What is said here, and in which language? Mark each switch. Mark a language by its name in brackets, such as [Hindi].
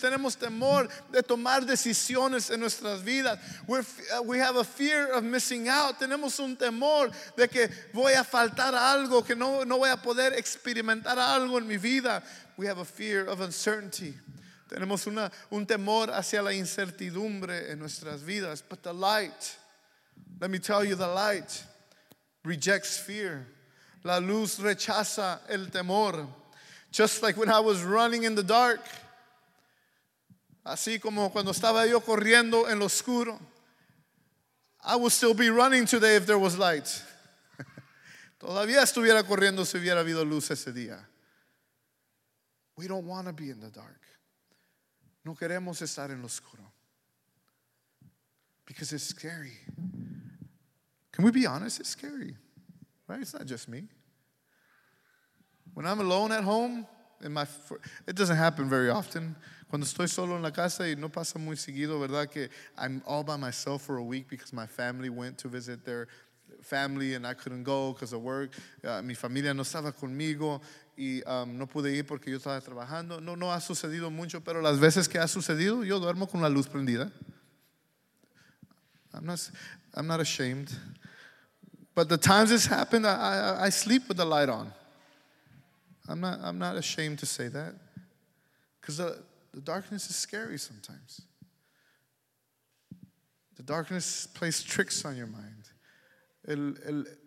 [Spanish] Tenemos temor de tomar decisiones en nuestras vidas. [English] We have a fear of missing out. [Spanish] Tenemos un temor de que voy a faltar algo, que no voy a poder experimentar algo en mi vida. [English] We have a fear of uncertainty. [Spanish] Tenemos un temor hacia la incertidumbre en nuestras vidas. [English] But the light, let me tell you, the light rejects fear. [Spanish] La luz rechaza el temor. [English] Just like when I was running in the dark. [Spanish] Así como cuando estaba yo corriendo en lo oscuro. [English] I would still be running today if there was light. [Spanish] Todavía estuviera corriendo si hubiera habido luz ese día. [English] We don't want to be in the dark. [Spanish] No queremos estar en lo oscuro. [English] Because it's scary. Can we be honest? It's scary. Right? It's not just me. When I'm alone at home, it doesn't happen very often. [Spanish] Cuando estoy solo en la casa y no pasa muy seguido, ¿verdad? [English] Que I'm all by myself for a week because my family went to visit their family and I couldn't go because of work. [Spanish] Mi familia no estaba conmigo y no pude ir porque yo estaba trabajando. No ha sucedido mucho, pero las veces que ha sucedido, yo duermo con la luz prendida. [English] I'm not ashamed. But the times it's happened, I sleep with the light on. I'm not ashamed to say that, because the darkness is scary sometimes. The darkness plays tricks on your mind.